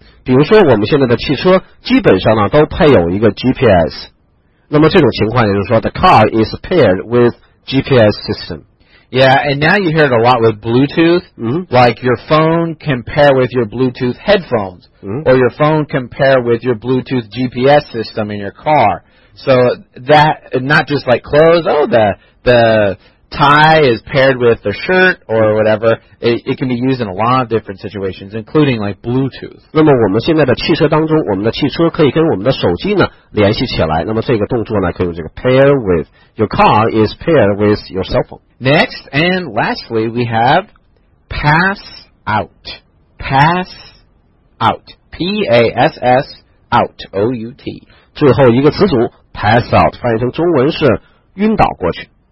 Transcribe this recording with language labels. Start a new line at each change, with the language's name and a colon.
Chinese: 比如说我们现在的汽车基本上呢都配有一个 GPS。那么这种情况也就是说
English: the car is paired with GPS system. Yeah, and now you hear it a lot with Bluetooth, like your phone can pair with your Bluetooth headphones, or your phone can pair with your Bluetooth GPS system in your car. So that, not just like clothes, the tie is paired with the shirt or whatever, it can be used in a lot of different situations, including like Bluetooth.
Chinese: 那么我们现在的汽车当中，我们的汽车可以跟我们的手机呢联系起来，那么这个动作呢可以用这个 pair with.
English: Your car is paired with your cell phone. Next and lastly, we have pass out. Pass out. P-A-S-S out. O-U-T.
Chinese: 最后一个词组 pass out 翻译成中文是晕倒过去。